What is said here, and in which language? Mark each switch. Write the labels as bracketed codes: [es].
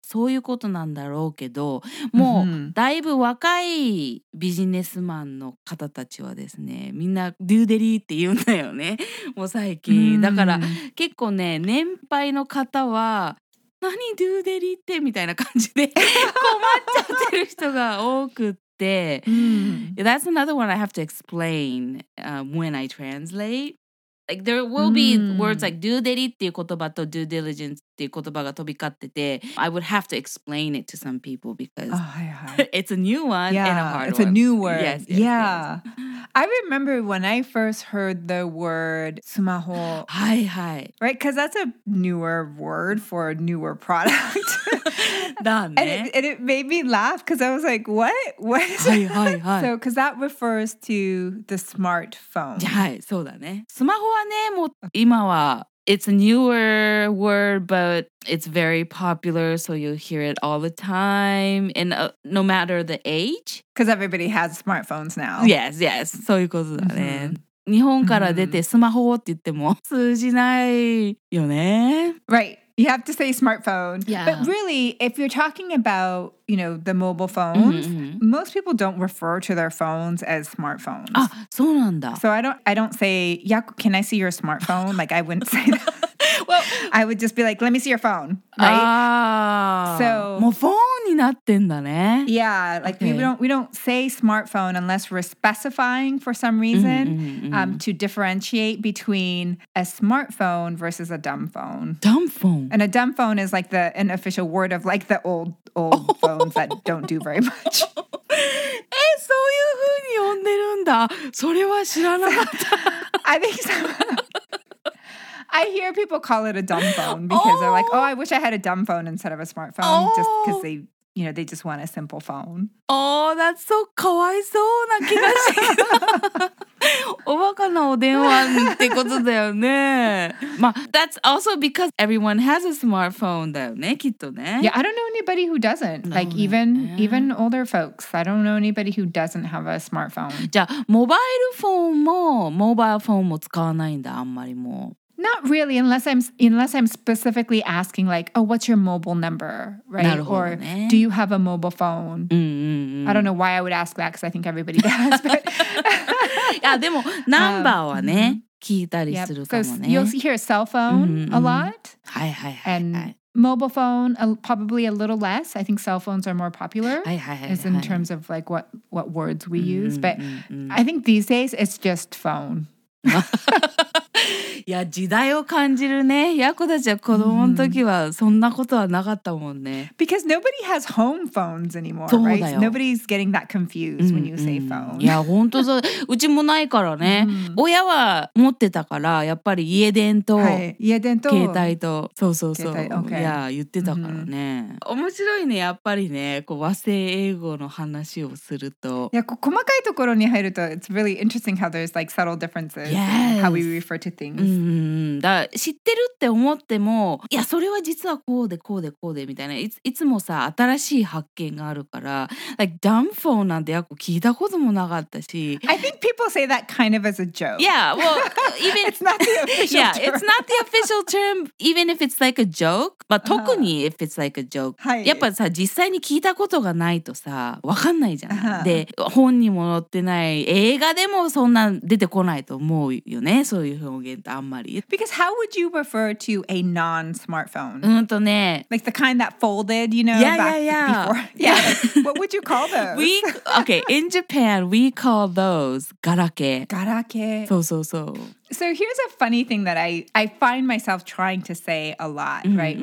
[ja] そういうことなんだろうけど、もうだいぶ若いビジネスマンの方たちはですね、みんなデューデリーって言うんだよね、もう最近。だから結構ね、年配の方は何デューデリーってみたいな感じで困っちゃってる人が多くって。 [en] That's another one I have to explain, when I translate. Like, there will be words like due diligence [ja] っていう言葉と due diligence っていう言葉が飛び交ってて [en] I would have to explain it to some people because it's a new one and a hard it's one. It's a new word. Yes, yes, yeah. Yes. I remember when I first heard the word スマホ. Hi, hi. Right? Because that's a newer word for a newer product. And it made me laugh because I was like, what? What is that? So, because that refers to the smartphone. Yeah, スマホはね、もう今は it's a newer word, but it's very popular, so you hear it all the time, and no matter the age. Because everybody has smartphones now. Yes, yes. [ja] そういうことだね。日本から出てスマホって言っても通じないよね。 [en] Right. You have to say smartphone. Yeah. But really, if you're talking about, you know, the mobile phones, most people don't refer to their phones as smartphones. [ja] Ah, そうなんだ。 [en] So I don't say, Yaku, can I see your smartphone? Like, I wouldn't say that. Well, I would just be like, let me see your phone, right? [ja] So, もうフォンになってんだね。 [en] Yeah, like we don't say smartphone unless we're specifying for some reason to differentiate between a smartphone versus a dumb phone. Dumb phone? And a dumb phone is like an official word of like the old phones that don't do very much. [ja] そういう風に呼んでるんだ。それは知らなかった。 [en] I think so. I hear people call it a dumb phone because they're like, oh, I wish I had a dumb phone instead of a smartphone just because they, you know, they just want a simple phone. Oh, that's so [ja] かわいそうな気がしてる。おバカなお電話ってことだよね。 [en] まあ、that's also because everyone has a smartphone [ja] だよね、きっとね。 [en] Yeah, I don't know anybody who doesn't. Like, even older folks, I don't know anybody who doesn't have a smartphone. [ja] じゃあ、モバイルフォンもモバイルフォンも使わないんだ、あんまりもう。 [en] Not really, unless I'm specifically asking, like, oh, what's your mobile number, right? Or do you have a mobile phone? I don't know why I would ask that because I think everybody does. But [ja] yeah, でもナンバーはね聞いたりするかもね。 [en] You'll hear a cell phone a lot. [ja] はいはいはい。 [en] And Mobile phone, probably a little less. I think cell phones are more popular in terms of like what words we use. But I think these days it's just phone. [ja] いや時代を感じるね。ヤコたちは子供の時はそんなことはなかったもんね。 [en] Because nobody has home phones anymore, [ja] そうだよ。 [en] right? Nobody's getting that confused when you say phone. [ja] いや本当そう。うちもないからね。親は持ってたからやっぱり家電と、はい、家電と携帯とそうそうそう。Okay. いや言ってたからね。面白いねやっぱりね。こう和製英語の話をすると。いやこ細かいところに入ると [en] it's really interesting how there's like subtle differences、yes. how we refer to things [ja] だ知ってるって思ってもいやそれは実はこうでこうでこうでみたいないついつもさ新しい発見があるから like dumb phone なんてやっぱ聞いたこともなかったし [en] I think people say that kind of as a joke yeah well even it's not the official yeah, term yeah it's not the official term even if it's like a joke but 特に if it's like a joke、 uh-huh. [ja] やっぱさ実際に聞いたことがないとさわかんないじゃん、uh-huh. で本にも載ってない映画でもそんな出てこないと思うよねそういう表現 [en] Because how would you refer to a non-smartphone? Like the kind that folded, you know, yeah, back yeah, yeah. before. Yeah. What would you call those? We, okay, in Japan, we call those garake. Garake. So, so, so. So here's a funny thing that I find myself trying to say a lot, right? Mm-hmm.